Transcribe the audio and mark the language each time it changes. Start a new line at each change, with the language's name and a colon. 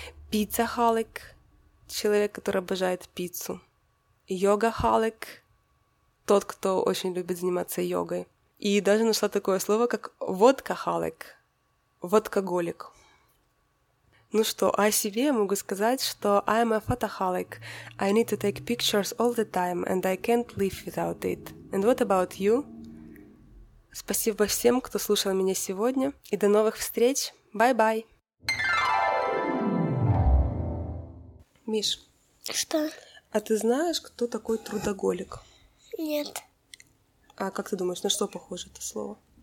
Russian: Pizzaholic — человек, который обожает пиццу. Yogaholic — тот, кто очень любит заниматься йогой. И даже нашла такое слово, как водкахалик, водкоголик. Ну что, о себе я могу сказать, что
English: I'm a photoholic. I need to take pictures all the time, and I can't live without it. And what about you?
Russian: Спасибо всем, кто слушал меня сегодня, и до новых встреч.
English: Bye-bye!
Russian: Миш. Что? А ты знаешь, кто такой трудоголик? Нет. А как ты думаешь, на что похоже это слово?